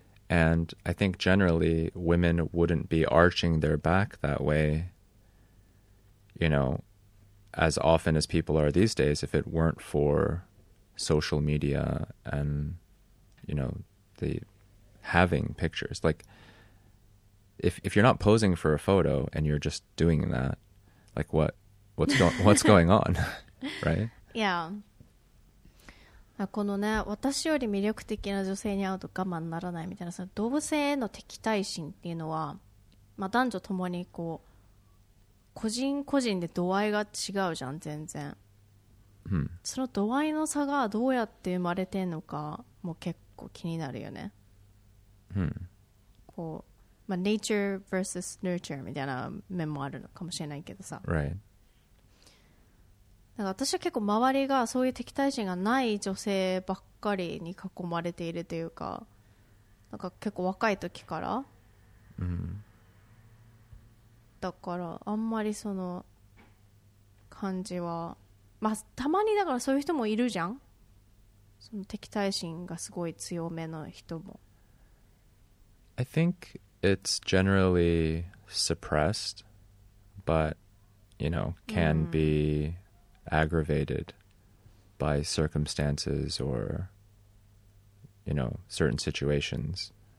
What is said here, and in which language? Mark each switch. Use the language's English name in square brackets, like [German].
[English] And I think generally women wouldn't be arching their back that way, you know, as often as people are these days, if it weren't for social media and, you know, the having pictures. Like, if you're not posing for a photo and you're just doing that, like what's going on, right? Yeah. [Japanese] このね、私より魅力的な女性に会うと我慢ならないみたいな、その同性への敵対心っていうのは、まあ、男女ともにこう個人個人で度合いが違うじゃん全然、うん、その度合いの差がどうやって生まれてんのかも結構気になるよね、うん、こう、まあ、 nature versus nurture みたいな面もあるのかもしれないけどさ、 [English] right. [Japanese] なんか私は結構周りがそういう敵対心がない女性ばっかりに囲まれているというか、なんか結構若い時から、うん、だからあんまりその感じは、まあたまにだからそういう人もいるじゃん、その敵対心がすごい強めの人も。 [English] I think it's generally suppressed, but you know, can be、うんaggravated by circumstances or, you know, certain situations.